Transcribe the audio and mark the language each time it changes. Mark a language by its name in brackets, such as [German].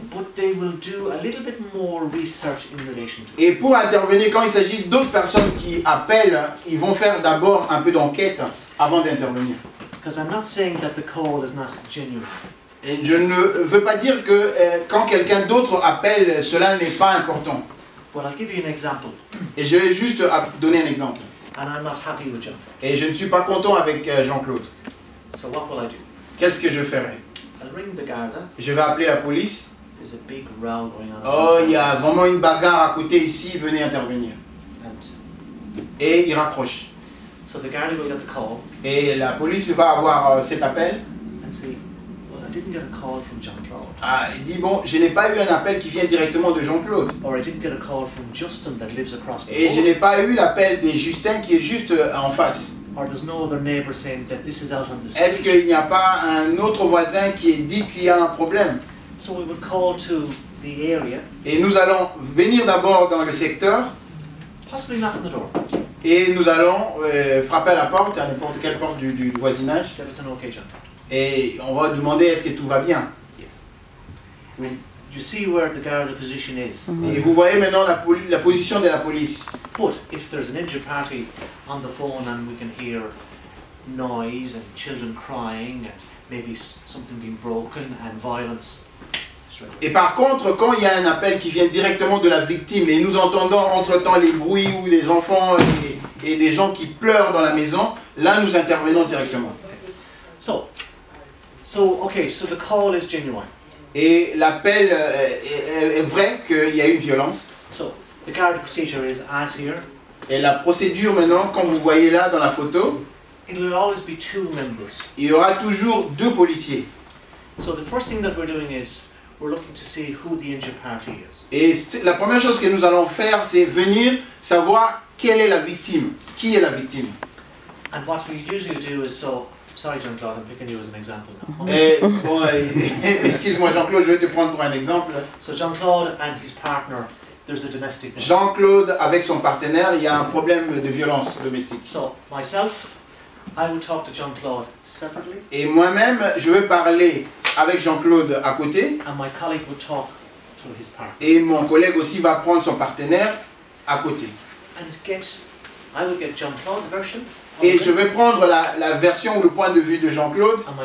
[English] But they will do a little bit more research in relation to. [French] Et pour intervenir, quand il s'agit d'autres personnes qui appellent, ils vont faire d'abord un peu d'enquête avant d'intervenir. [English] Because I'm not saying that the call is not genuine. [French] Et je ne veux pas dire que quand quelqu'un d'autre appelle, cela n'est pas important. [English] But I'll give you an example. [French] Et je vais juste donner un exemple. [English] And I'm not happy with Jean-Claude. [French] Et je ne suis pas content avec Jean-Claude. [English] So what will I do? [French] Qu'est-ce que je ferai? [English] I'll ring the garden. [French] Je vais appeler la police. [English] There's a big row going on. [French] Oh, il y a vraiment une bagarre à côté ici, venez intervenir. [English] And [French] et il raccroche. [English] So the garden will get the call. [French] Et la police va avoir cet appel. [English] And say, well, I didn't get a call from Jean-Claude. [French] Ah, il dit, bon, je n'ai pas eu un appel qui vient directement de Jean-Claude. [English] Or I didn't get a call from Justin that lives across the [French] et [English] road. [French] Je n'ai pas eu l'appel de Justin qui est juste en face. [English] Or there's no other neighbor saying that this is out on the street. [French] Est-ce qu'il n'y a pas un autre voisin qui dit qu'il y a un problème? [English] So we would call to the area. [French] Et nous allons venir d'abord dans le secteur. [English] Possibly knock on the door. [French] Et nous allons frapper à la porte, à n'importe quelle porte du voisinage. [English] Is everything okay, John? [French] Et on va demander est-ce que tout va bien? [English] Yes. [French] Oui. [English] You see where the guard position is. [French] Et vous voyez maintenant la position de la police. [English] But if there's an injured party on the phone and we can hear noise and children crying and maybe something being broken and violence. [French] Et par contre, quand il y a un appel qui vient directement de la victime et nous entendons entre-temps les bruits ou les enfants et des gens qui pleurent dans la maison, là nous intervenons directement. [English] So the call is genuine. [French] Et l'appel est vrai qu'il y a une violence. [English] So, the guard procedure is as here. [French] Et la procédure maintenant, comme vous voyez là dans la photo, [English] it'll always be two members. [French] Il y aura toujours deux policiers. [English] So the first thing that we're doing is we're looking to see who the injured party is. Et la première chose que nous allons faire, c'est venir savoir quelle est la victime, qui est la victime. And what we usually do is so. Sorry, Jean-Claude, I'm picking you as an example now. [French] Excuse-moi, Jean-Claude, je vais te prendre pour un exemple. [English] So Jean-Claude and his partner, there's a domestic. [French] Jean-Claude avec son partenaire, il y a un problème de violence domestique. [English] So myself, I will talk to Jean-Claude separately. [French] Et moi-même, je vais parler avec Jean-Claude à côté. [English] And my colleague will talk to his partner. [French] Et mon collègue aussi va prendre son partenaire à côté. [English] And I will get Jean-Claude's version. [French] Et je vais prendre la version ou le point de vue de Jean-Claude.